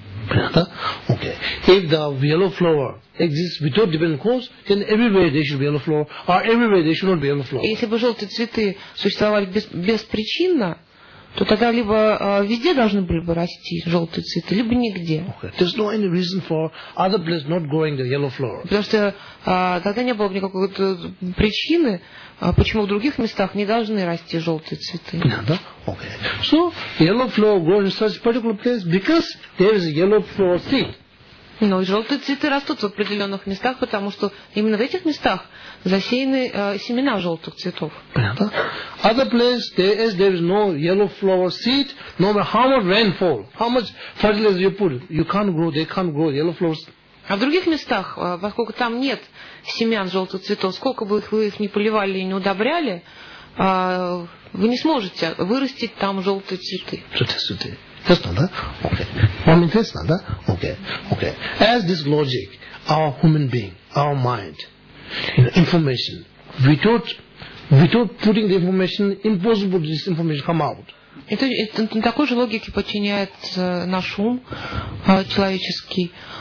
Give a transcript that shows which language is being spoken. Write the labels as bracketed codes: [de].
[ru] Понятно? [en] Okay. If the yellow flower exists without dependent cause, then everywhere there should be yellow flower, or everywhere there should not be yellow flower. [ru] Если бы желтые цветы существовали беспричинно, то тогда либо везде должны были бы расти желтые цветы, либо нигде. [en] Okay. There's no any reason for other places not growing the yellow flowers. [ru] Потому что тогда не было бы никакой причины, почему в других местах не должны расти желтые цветы. Да, окей. [en] So yellow flower grows in such a particular place because there is a yellow flower seed. [ru] Ну, и желтые цветы растут в определенных местах, потому что именно в этих местах засеяны семена желтых цветов. Понятно? [en] Other place, there is no yellow flower seed, no matter how much rainfall, how much fertilizer you put, you can't grow, they can't grow yellow flowers. [ru] А в других местах, поскольку там нет семян желтых цветов, сколько бы вы их ни поливали и не удобряли, вы не сможете вырастить там желтые цветы. Цветы. Интересно, да? Окей. Вам интересно, да? Окей. [en] As this logic, our human being, our mind, information, without putting the information, impossible this information come out. [ru] Это такой же логике подчиняется наш ум человеческий.